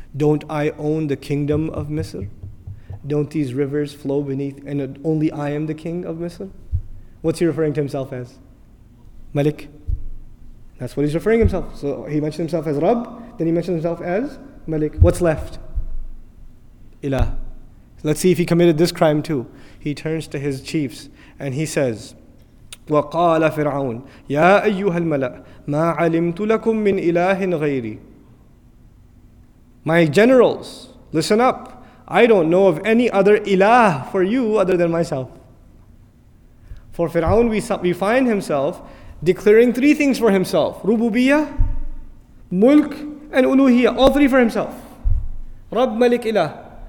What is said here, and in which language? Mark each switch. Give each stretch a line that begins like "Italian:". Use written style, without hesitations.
English: Don't I own the kingdom of Misr? Don't these rivers flow beneath, and only I am the king of Misr? What's he referring to himself as? Malik. That's what he's referring himself. So he mentioned himself as Rabb, then he mentioned himself as Malik. What's left? Ilah. Let's see if he committed this crime too. He turns to his chiefs and he says,
Arabic: وقال فرعون يا أيها الملأ ما علمت لكم من إله غيري.
English: My generals, listen up. I don't know of any other ilah for you other than myself. For Fir'aun, we find himself declaring three things for himself: rububiyyah, mulk, and uluhiyyah. All three for himself. Rabb, malik, ilah.